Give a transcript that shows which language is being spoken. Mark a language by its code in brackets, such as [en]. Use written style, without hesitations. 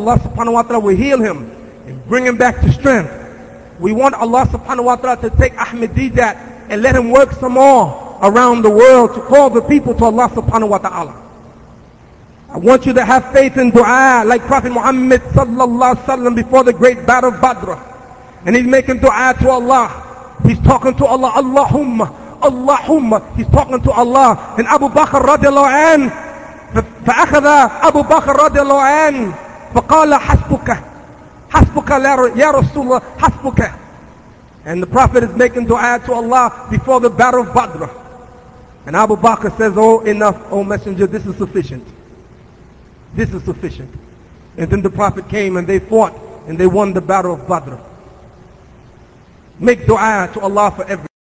[en] Allah subhanahu wa ta'ala will heal him and bring him back to strength. We want Allah subhanahu wa ta'ala to take Ahmed Didat and let him work some more around the world to call the people to Allah subhanahu wa ta'ala. I want you to have faith in dua like Prophet Muhammad sallallahu alaihi wasallam before the great battle of Badr. And he's making dua to Allah. He's talking to Allah, Allahumma. Allahumma, he's talking to Allah. [ar] And Abu Bakr radiallahu an, فَأَخَذَ أَبُو بَكْرٍ رَضِيَ اللَّهُ عَنْهُ فَقَالَ حَسْبُكَ حَسْبُكَ يَا رَسُولَ اللَّهِ حَسْبُكَ [en] And the Prophet is making dua to Allah before the battle of Badr. And Abu Bakr says, oh, enough, oh Messenger, this is sufficient. This is sufficient. And then the Prophet came and they fought and they won the battle of Badr. Make dua to Allah for everything.